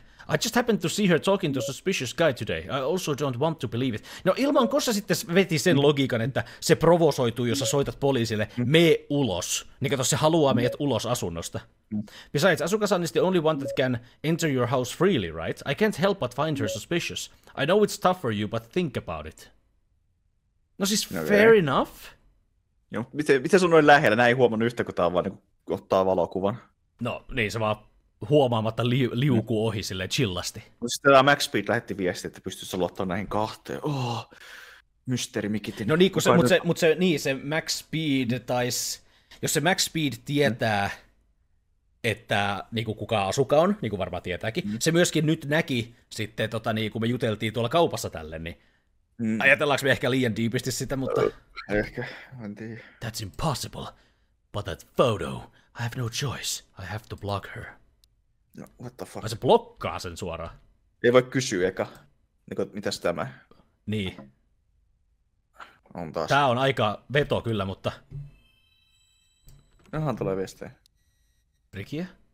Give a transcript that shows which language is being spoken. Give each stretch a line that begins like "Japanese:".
English: I just happened to see her talking to a suspicious guy today. I also don't want to believe it.
Finnish: No ilman, kun sä sitten veti sen logiikan, että se provosoituu, jos sä soitat poliisille, mee ulos. Niin kato, se haluaa meidät ulos asunnosta.
English: Besides, Asuka-san is the only one that can enter your house freely, right? I can't help but find her suspicious. I know it's tough for you, but think about it.
Finnish: No siis, no,
English: fair enough.
Finnish: Joo, miten sun noin lähellä? Näin huomannut yhtä, kun tää on vaan niin kun ottaa valokuvan. No niin, se vaan huomaamatta liukuu ohi silleen chillasti. Sitten tämä Max Speed lähetti viesti, että pystyisi luottamaan näihin kahteen. Oh, mysteeri Mikitin. No niin, se Max Speed taisi, jos se Max Speed tietää, että niin kuin kuka Asuka on, niin kuin varmaan tietääkin, se myöskin nyt näki sitten, tota, niin, kun me juteltiin tuolla kaupassa tälle, niin ajatellaanko me ehkä liian diipisti sitä, mutta... Ehkä, en tiedä.
English: That's impossible, but that photo, I have no choice, I have to block her. No, what the fuck?
Finnish: Vai se blokkaa sen suoraan? Ei voi kysyä eka. Niin, mitäs tämä? Niin. On taas. Tää on aika veto kyllä, mutta... Nohan tulee viestejä. Rikiä?